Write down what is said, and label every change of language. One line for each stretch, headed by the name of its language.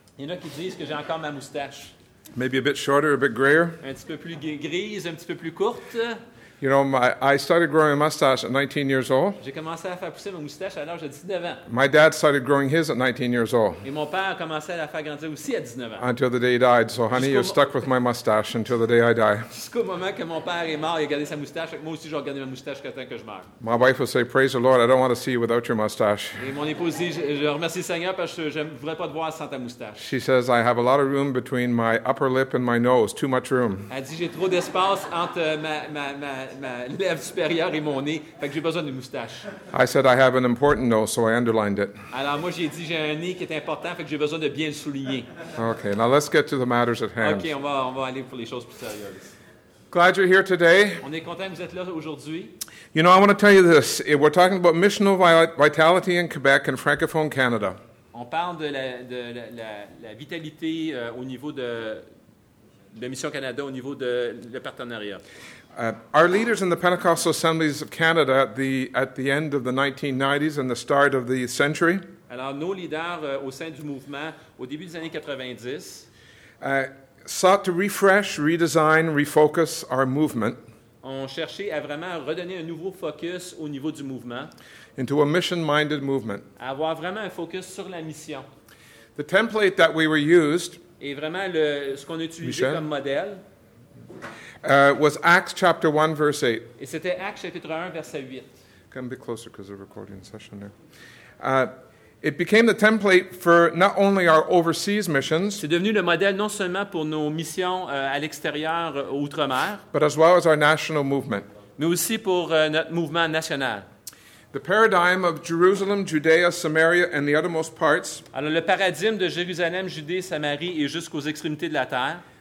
French: Il y en a qui disent que j'ai encore ma moustache.
English: Maybe a bit shorter, a bit grayer.
French: Un petit peu plus grise, un petit peu plus courte.
English: You know, I started growing a mustache at 19 years old.
French: J'ai commencé à faire pousser ma moustache à l'âge de 19 ans.
English: My dad started growing his at 19 years old.
French: Et mon père a commencé à la faire grandir aussi à 19 ans.
English: Until the day he died. So, honey, you're stuck with my mustache until the day I die.
French: Jusqu'au moment que mon père est mort, il a gardé sa moustache. Moi aussi, j'ai gardé ma moustache jusqu'à temps que je meure.
English: My wife will say, "Praise the Lord, I don't want to see you without your mustache."
French: Et mon épouse dit, "Je remercie le Seigneur parce que je ne voudrais pas te voir sans ta moustache."
English: She says, "I have a lot of room between my upper lip and my nose. Too much room."
French: Elle dit, "J'ai trop d'espace entre ma lèvre supérieure et mon nez, fait que j'ai besoin d'une moustache."
English: I said I have an important nose, so I underlined it.
French: Alors moi j'ai dit j'ai un nez qui est important, fait que j'ai besoin de bien le souligner.
English: Okay, now let's get to the matters at hand.
French: Okay, on va aller pour les choses plus sérieuses.
English: Glad you're here today.
French: On est content que vous êtes là aujourd'hui.
English: You know, I want to tell you this. We're talking about missional vitality in Quebec and Francophone Canada.
French: On parle de la vitalité au niveau de Mission Canada, au niveau de le partenariat.
English: Our leaders in the Pentecostal Assemblies of Canada at the end of the 1990s and the start of the century.
French: Alors nos leaders au sein du mouvement au début des années 90
English: sought to refresh, redesign, refocus our movement.
French: On cherchait à vraiment redonner un nouveau focus au niveau du mouvement.
English: Into a mission-minded movement.
French: Avoir vraiment un focus sur la mission.
English: The template that we were used.
French: Et vraiment ce qu'on a utilisé, Michel, comme modèle.
English: Was Acts chapter 1, verse 8.
French: Et c'était Acts chapitre 1, verset 8.
English: Come a bit closer because of the recording session there. It became the template for not only our overseas missions.
French: C'est devenu le modèle non seulement pour nos missions à l'extérieur, outre-mer.
English: But as well as our national movement.
French: Mais aussi pour notre mouvement national.
English: The paradigm of Jerusalem, Judea, Samaria, and the uttermost parts.
French: Alors le paradigme de Jérusalem, Judée, Samarie et jusqu'aux extrémités de la terre.